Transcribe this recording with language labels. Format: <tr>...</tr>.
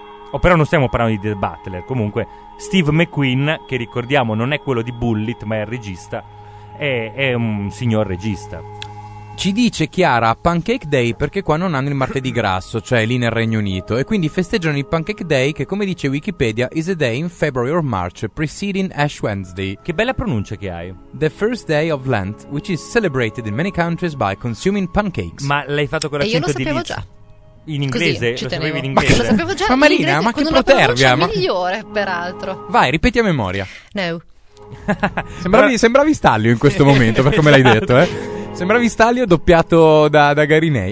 <it>Oh, però non stiamo parlando di The Butler. Comunque, Steve McQueen, che ricordiamo non è quello di Bullitt ma è il regista, è un signor regista. Ci dice Chiara: Pancake Day, perché qua non hanno il martedì grasso, cioè lì nel Regno Unito, e quindi festeggiano il Pancake Day, che come dice Wikipedia</it> <en>is a day in February or March preceding Ash Wednesday.</en> <it>Che bella pronuncia che hai.</it> <en>The first day of Lent, which is celebrated in many countries by consuming pancakes.</en> <it>Ma l'hai fatto con l'accento di lì? E io lo sapevo già. In inglese? Così, lo sapevi in inglese? Lo sapevo già. Ma Marina, ma che protervia? Con una pronuncia migliore, peraltro. Vai, ripeti a memoria. No. sembravi Stallio in questo momento, per come l'hai detto, eh? Sembravi Stallio doppiato da Garinei.</it>